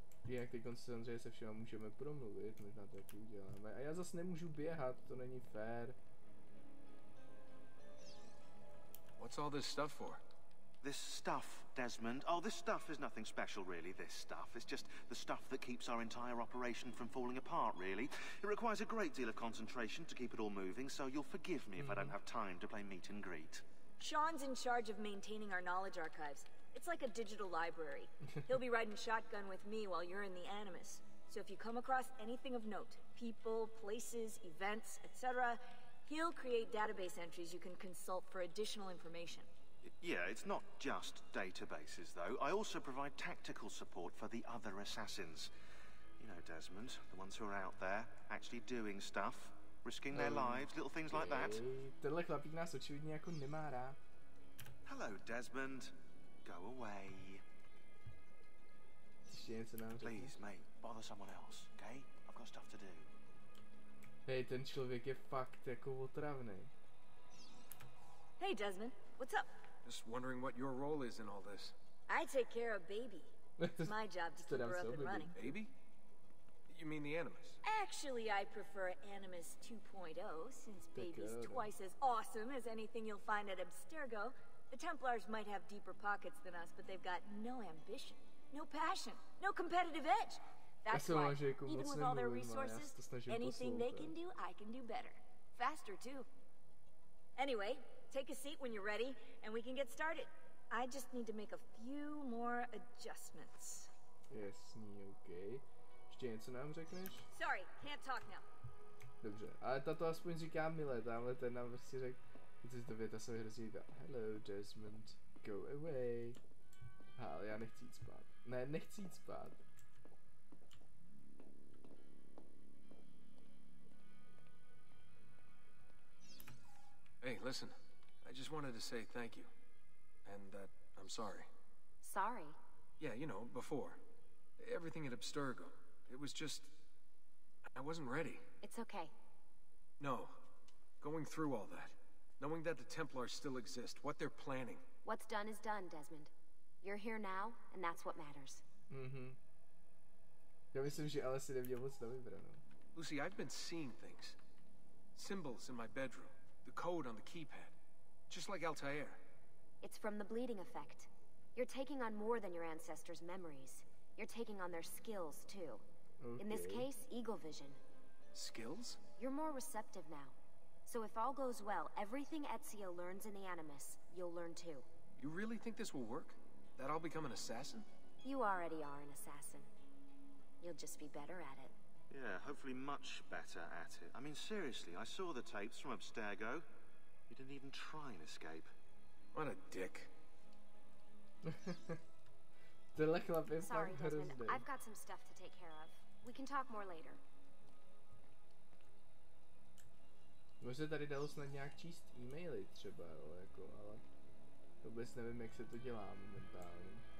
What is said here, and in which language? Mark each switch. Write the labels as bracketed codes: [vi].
[cs] Jinak teď koncentruje se všema můžeme promluvit, možná to taky uděláme. A já zas nemůžu běhat, to není fér. [en] What's all this stuff for? This stuff, Desmond. Oh, this stuff is nothing special, really, this stuff. It's just the stuff that keeps our entire operation from falling apart, really. It requires a great deal of concentration to keep it all moving, so you'll forgive me if I don't have time to play meet and greet. Sean's in charge of maintaining our knowledge archives. It's like a digital library. He'll be riding shotgun with me while you're in the Animus. So if you come across anything of note, people, places, events, etc., he'll create database entries you can consult for additional information. Yeah, it's not just databases, though. I also provide tactical support for the other assassins. You know, Desmond, the ones who are out there, actually doing stuff, risking their lives, little things like that. [cs] Tenhle chlapík nás očividně jako nemá rád. [en] Hello, Desmond. Go away. Please, mate, bother someone else, okay? I've got stuff to do. [cs] Hej, ten člověk je fakt jako otravný. [en] Hey, Desmond, what's up? Just wondering what your role is in all this. I take care of Baby. It's my job to keep her up and running. Baby? You mean the Animus? Actually, I prefer Animus 2.0, since Baby's twice as awesome as anything you'll find at Abstergo. The Templars might have deeper pockets than us, but they've got no ambition, no passion, no competitive edge. That's right. Even with all their resources, anything they can do, I can do better. Faster, too. Anyway, take a seat when you're ready, and we can get started. I just need to make a few more adjustments. [cs] Jasně, okay. Ještě něco nám řekneš? [en] Sorry, can't talk now. [cs] Dobře, ale tato aspoň říká milé, tamhle ten nám prostě řekl, když se to věta se vyhrozí, [en] hello Desmond, go away. [cs] Ha, ale já nechci jít spát. Ne, nechci jít spát. [en] Hey, listen, I just wanted to say thank you. And that I'm sorry. Sorry? Yeah, you know, before. Everything at Abstergo. It was just... I wasn't ready. It's okay. No. Going through all that. Knowing that the Templars still exist. What they're planning. What's done is done, Desmond. You're here now, and that's what matters. Mm-hmm. [cs] Já myslím, že Alice si neměl moc na vybranou. [en] Lucy, I've been seeing things. Symbols in my bedroom. The code on the keypad. Just like Altair. It's from the bleeding effect. You're taking on more than your ancestors' memories. You're taking on their skills, too. Okay. In this case, Eagle Vision. Skills? You're more receptive now. So if all goes well, everything Ezio learns in the Animus, you'll learn too. You really think this will work? That I'll become an assassin? You already are an assassin. You'll just be better at it. Yeah, hopefully much better at it. I mean, seriously, I saw the tapes from Abstergo. You didn't even try and escape. What a dick. [cs] Tenhle chlap je fakt hrozný. [en] Sorry, Desmond. I've got some stuff to take care of. We can talk more later. [cs] Možná tady dalo snad nějak číst e-maily třeba, jo, jako, ale vůbec nevím, jak se to dělá momentálně.